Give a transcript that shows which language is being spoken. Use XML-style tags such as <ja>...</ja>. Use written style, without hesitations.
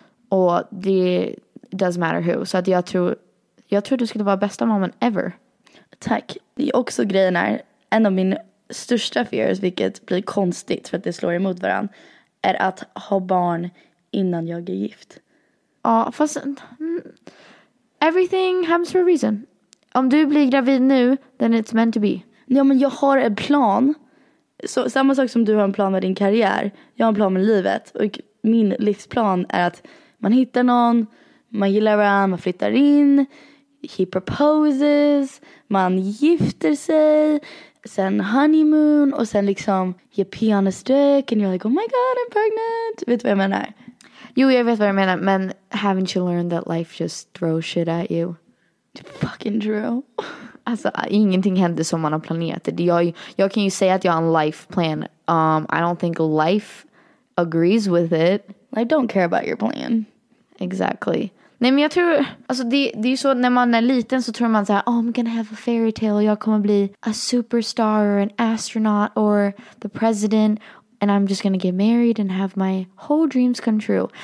<sv>Och det</sv> <en>doesn't matter who.</en> <sv>Så att jag tror du skulle vara bästa mamman ever. Tack. Det är också grejen här. En av min största fears, vilket blir konstigt för att det slår emot varann, är att ha barn innan jag är gift. Ja, fast</sv> <en>everything happens for a reason.</en> <sv>Om du blir gravid nu,</sv> <en>then it's meant to be.</en> <sv>Ja, men jag har en plan. Så, samma sak som du har en plan med din karriär. Jag har en plan med livet. Och min livsplan är att man hittar någon, man gillar varandra, man flyttar in,</sv> <en>he proposes,</en> <sv>man gifter sig, sen honeymoon, och sen liksom</sv> <en>you pee on a stick and you're like, oh my god, I'm pregnant.</en> <sv>Vet du vad jag menar? Jo, jag vet vad jag menar, men</sv> <en>haven't you learned that life just throws shit at you? Fucking true.</en> <sv>Alltså, ingenting händer som man har planerat. Jag kan ju säga att jag har en life plan.</sv> <en>I don't think life agrees with it. I don't care about your plan. Exactly.</en> <sv>Nej, men jag tror, alltså det är ju så, när man är liten så tror man så här,</sv> <en>oh, I'm gonna have a fairy tale,</en> <sv>jag kommer bli</sv> <en>a superstar or an astronaut or the president, and I'm just gonna get married and have my whole dreams come true.</en>